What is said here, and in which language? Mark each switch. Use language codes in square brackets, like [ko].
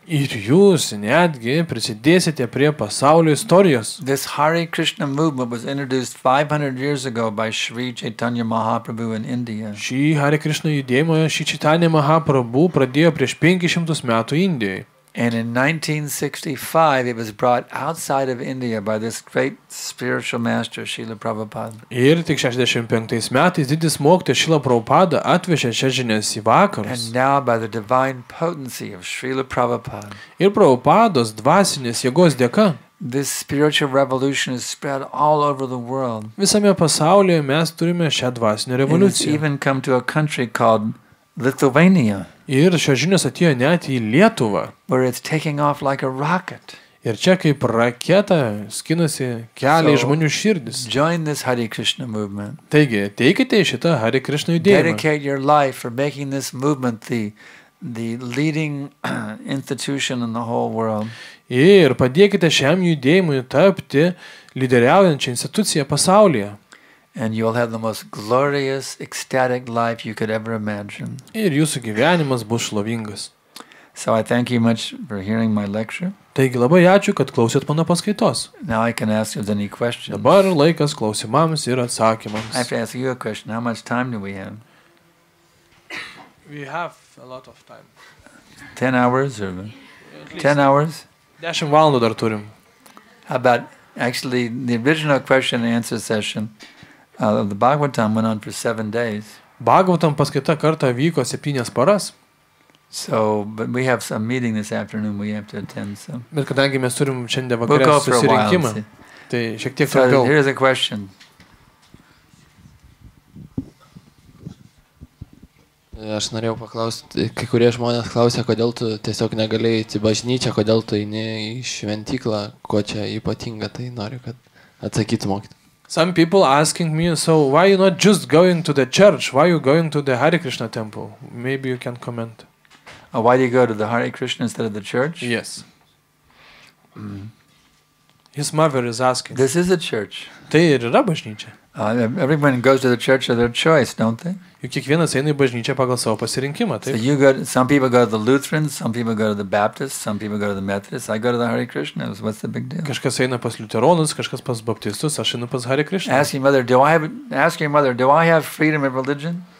[lt] Ir jūs netgi prisidėsite prie pasaulio istorijos. [en] This Hare Krishna movement was introduced 500 years ago by Sri Chaitanya Mahaprabhu in India. [lt] Šį Hare Krishna judėjimą Sri Chaitanya Mahaprabhu pradėjo prieš 500 metų Indijoje. [en] And in 1965 it was brought outside of India by this great spiritual master Srila Prabhupada. [lt] Ir tik 65 metais didis mokytojas Srila Prabhupada atvežė šias žinias į vakarus. [en] And now by the divine potency of Srila Prabhupada. [lt] Ir Prabhupados dvasinės jėgos dėka. [en] This spiritual revolution is spread all over the world. [lt] Visame pasaulyje mes turime šią dvasinę revoliuciją. [en] It has even come to a country called Lithuania. [lt] Ir šios žinios atėjo net į Lietuvą. [en] Where it's taking off like a rocket. [lt] Ir čia kaip raketa skinasi kelią į žmonių širdis. [en] Join this Hare Krishna movement. [lt] Taigi, teikite į šitą Hare Krishna judėjimą. [en] Dedicate your life for making this movement the leading institution in the whole world. [lt] Ir padėkite šiam judėjimui tapti lyderiaujančia institucija pasaulyje. [en] And you'll have the most glorious ecstatic life you could ever imagine. [lt] Ir jūsų gyvenimas bus šlovingas. [en] So I thank you much for hearing my lecture. [lt] Taigi labai ačiū, kad klausėt mano paskaitos. [en] Now I can ask you any questions. [lt] Dabar laikas klausimams ir atsakymams. [en] I have to ask you a question. How much time do we have? We have a lot of time. 10 hours or? 10 hours? [lt] 10 valandų dar turim. [en] How about, actually, the original question and answer session of the Bhagavatam went on for 7 days. [lt] Bhagavatam paskaita kartą vyko 7 paras. [en] So, but we have some meeting this afternoon we have to attend, so. [lt] Bet kadangi mes turim šiandien vakare susirinkimą, tai šiek tiek trumpiau. [en] So, here's a question. [lt] Aš norėjau paklausti, kai kurie žmonės klausia, kodėl tu tiesiog negali eiti į bažnyčią, kodėl tu eini į šventyklą, ko čia ypatinga, tai noriu, kad atsakytų mokyti. [en] Some people asking me, so why you not just going to the church? Why you going to the Hare Krishna temple? Maybe you can comment. Why do you go to the Hare Krishna instead of the church? Yes. His mother is asking. This is a church. [lt] Tai ir yra bažnyčia. [en] Everyone goes to the church of their choice, don't they? [lt] Juk kiekvienas eina į bažnyčią pagal savo pasirinkimą, taip? [en] So you go, some people go to the Lutherans, some people go to the Baptists, some people go to the Methodists. I go to the Hare Krishna. What's the big deal? [lt] Kažkas eina pas Liuteronus, kažkas pas Baptistus, aš einu pas Hare Krishna. [en] Ask your mother, do I have freedom of religion?